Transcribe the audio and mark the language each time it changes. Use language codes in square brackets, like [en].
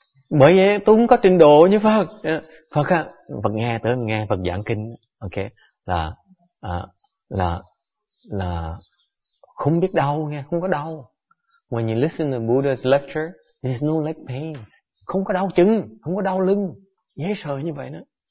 [vi] Bởi vậy tôi cũng có trình độ như Phật á. Phật nghe tới nghe Phật giảng kinh, ok, là không biết đau nha, không có đau. [en] When you listen to Buddha's lecture, there's no leg pains. [vi] Không có đau chân, không có đau lưng, dễ sợ như vậy đó.